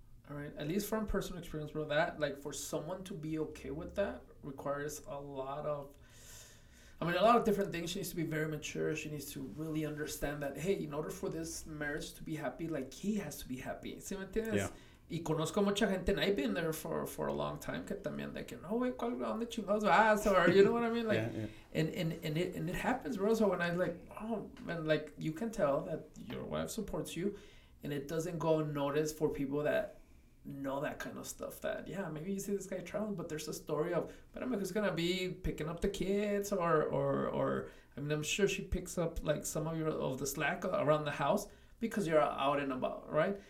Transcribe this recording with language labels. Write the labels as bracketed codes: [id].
[en] All right, at least from personal experience, bro, that, like, for someone to be okay with that requires a lot of different things. She needs to be very mature. She needs to really understand that, hey, in order for this marriage to be happy, like, he has to be happy. [es] ¿Sí me entiendes? [en] Yeah. [es] Y conozco mucha gente, [en] and I've been there for a long time, [es] que también de que, no, güey, ¿cuál, dónde chingados vas? [en] Or, you know what I mean? Like, yeah, yeah. And it happens, bro. So when I'm like, oh, man, like, you can tell that your wife supports you, and it doesn't go unnoticed for people that know that kind of stuff, that yeah, maybe you see this guy traveling, but there's a story of, but I mean, who's gonna be picking up the kids, or I mean, I'm sure she picks up like some of your of the slack around the house because you're out and about, right?